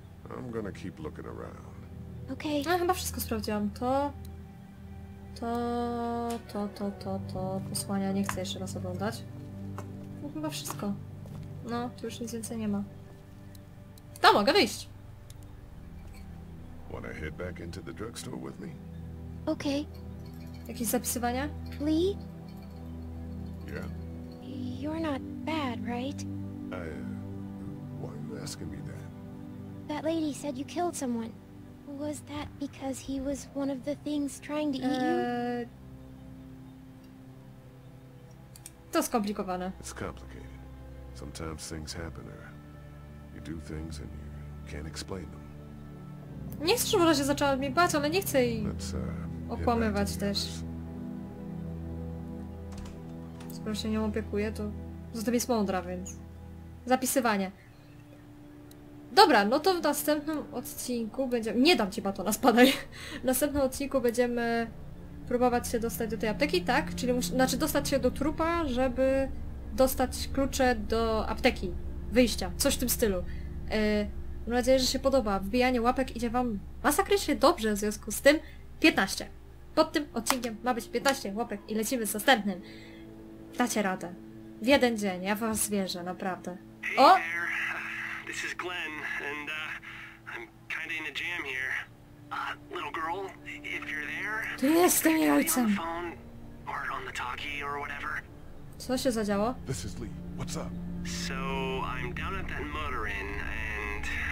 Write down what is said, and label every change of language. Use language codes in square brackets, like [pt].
[en] I'm gonna keep looking around. Okay. [pl] No, chyba wszystko sprawdziłam. To posłania nie chcę jeszcze raz oglądać. No, chyba wszystko. No, tu już nic więcej nie ma. To mogę wyjść. [en] Wanna head back into the drugstore with me? Okay. [pl] Jakieś zapisywania? [en] Lee? Yeah. You're not bad, right? Why are you asking me that? That lady said you killed someone. Was that because he was one of the things trying to eat you? [pl] To skomplikowane. [en] It's complicated. Sometimes things happen, or you do things and you can't explain them. [pl] Nie chcę, żeby ona się zaczęła mnie bać, ale nie chcę jej okłamywać też. Skoro się nią opiekuję, to zatem jest mądra, więc... Zapisywanie. Dobra, no to w następnym odcinku będziemy... Nie dam ci batona, spadaj! W następnym odcinku będziemy próbować się dostać do tej apteki, tak? Czyli znaczy dostać się do trupa, żeby dostać klucze do apteki. Wyjścia, coś w tym stylu. Mam nadzieję, że się podoba. Wbijanie łapek idzie wam masakrycznie dobrze, w związku z tym 15. Pod tym odcinkiem ma być 15 łapek i lecimy z następnym. Dacie radę. W jeden dzień, ja w was wierzę, naprawdę. [en] O! Hey there. This is Glenn, and I'm kinda in a jam here. Little girl, if you're there... [pl] Ty jesteś jej ojcem. [en] Or on the talkie, or whatever. [pl] Co się zadziało? [en] This is Lee. What's up? So, I'm down at that motor inn, and...